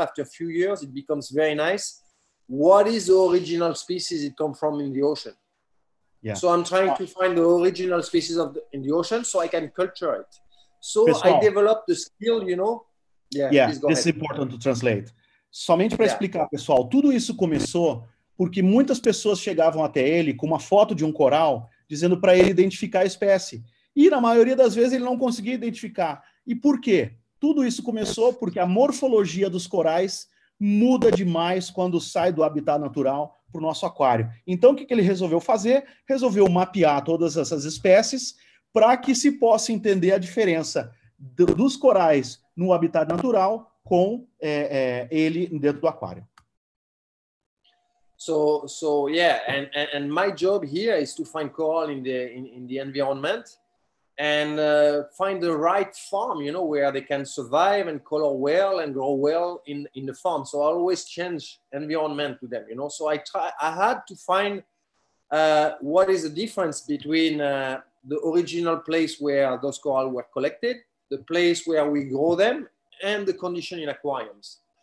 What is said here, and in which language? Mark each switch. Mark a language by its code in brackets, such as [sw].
[en] After a few years, it becomes very nice. What is the original species it come from in the ocean? Yeah. So I'm trying to find the original species in the ocean so I can culture it. So pessoal, I developed the skill, Yeah, yeah, please go ahead. This is important to translate. [pt] Somente para explicar, pessoal, tudo isso começou porque muitas pessoas chegavam até ele com uma foto de um coral dizendo para ele identificar a espécie. E na maioria das vezes ele não conseguia identificar. E por quê? Tudo isso começou porque a morfologia dos corais muda demais quando sai do habitat natural para o nosso aquário. Então, o que ele resolveu fazer? Resolveu mapear todas essas espécies para que se possa entender a diferença dos corais no habitat natural com ele dentro do aquário. [en] So my job here is to find coral in the environment and find the right farm, where they can survive and color well and grow well in the farm. So I always change environment to them, So I had to find what is the difference between the original place where those coral were collected, the place where we grow them, and the condition in aquariums.